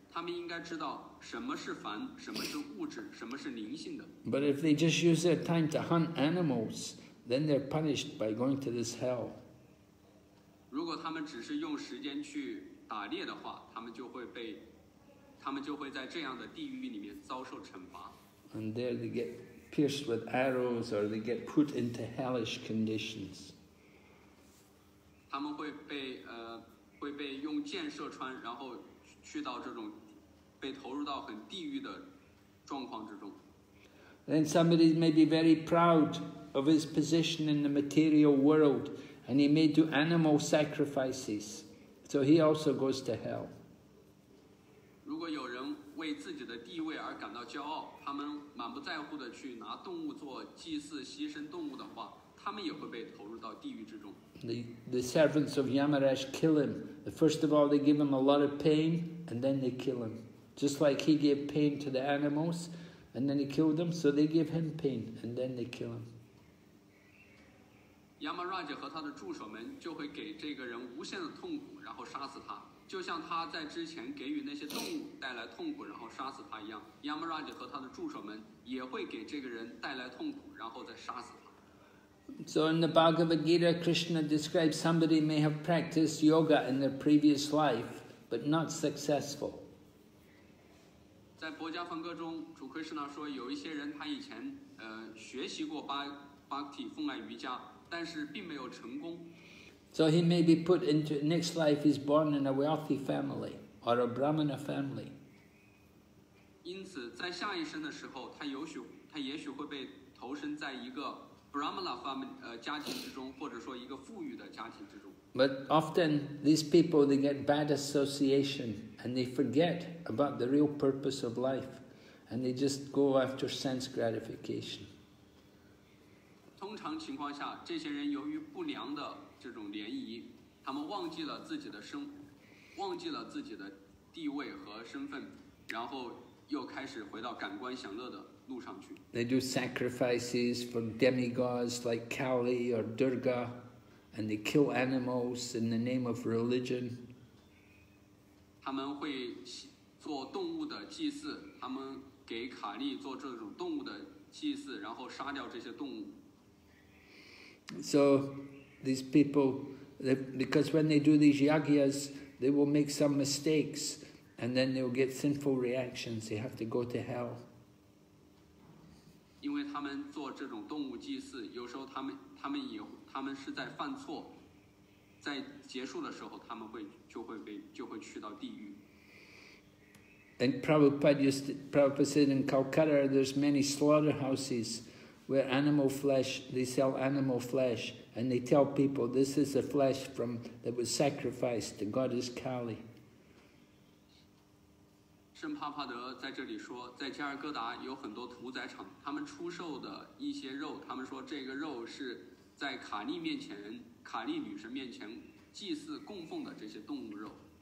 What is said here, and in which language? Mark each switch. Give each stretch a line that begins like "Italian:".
Chinese: 他们应该知道什么是凡，什么是物质，什么是灵性的。
English: But if they just use their time to hunt animals,then they're punished by going to this hell.
Chinese: 如果他们只是用时间去打猎的话，他们就会在这样的地狱里面遭受惩罚。
English: And there they get pierced with arrows or they get put into hellish conditions.
Chinese: 他们会被用箭射穿，然后去到这种被投入到很地狱的状况之中。
English: Then somebody may be very proud. Of his position in the material world, and he may do animal sacrifices, so he also goes to hell.
Chinese: 如果有人为自己的地位而感到骄傲，他们满不在乎的去拿动物做祭祀、牺牲动物的话，他们也会被投入到地狱之中。
English: The servants of Yamaraj kill him. First of all, they give him a lot of pain, and then they kill him, just like he gave pain to the animals, and then he killed them. So they give him pain, and then they kill him.
Chinese: Yamaraj 和他的助手们就会给这个人无限的痛苦，然后杀死他，就像他在之前给予那些动物带来痛苦，然后杀死他一样。 Yamaraj 和他的助手们也会给这个人带来痛苦，然后再杀死他。
English: So in the Bhagavad Gita, Krishna describes somebody may have practiced yoga in their previous life, but not successful.
Chinese: 在《薄伽梵歌》中，主 Krishna 说，有一些人他以前学习过Bhakti 奉爱瑜伽。但是并没有成功。
English: So he may be put into next life. He's born in a wealthy family or a Brahmana family.
Chinese: 因此，在下一生的时候，他也许会被投身在一个
English: Brahmana family
Chinese: 家庭之中，或者说一个富裕的家庭之中。
English: But often these people they get bad association and they forget about the real purpose of life, and they just go after sense gratification.
Chinese: 通常情况下，这些人由于不良的这种涟漪，他们忘记了自己的生，忘记了自己的地位和身份，然后又开始回到感官享乐的路上去。
English: They do sacrifices for demigods like Kali or Durga, and they kill animals in the name of religion.
Chinese: 他们会做动物的祭祀，他们给卡利做这种动物的祭祀，然后杀掉这些动物。
English: So these people, because when they do these yagyas, they will make some mistakes, and then they will get sinful reactions. They have to go to hell.
Chinese: 因为他们做这种动物祭祀，有时候他们是在犯错，在结束的时候，他们就会去到地狱。
English: And Prabhupada said in Calcutta, there's many slaughterhouses.Where animal flesh, they sell animal flesh, And they tell people, this is the flesh from that was sacrificed to Goddess Kali.
Chinese: 圣帕帕德在这里说, 在加尔各达有很多屠宰场, 他们出售的一些肉, 他们说这个肉是在卡利面前, 卡利女神面前, 祭祀供奉的这些动物肉。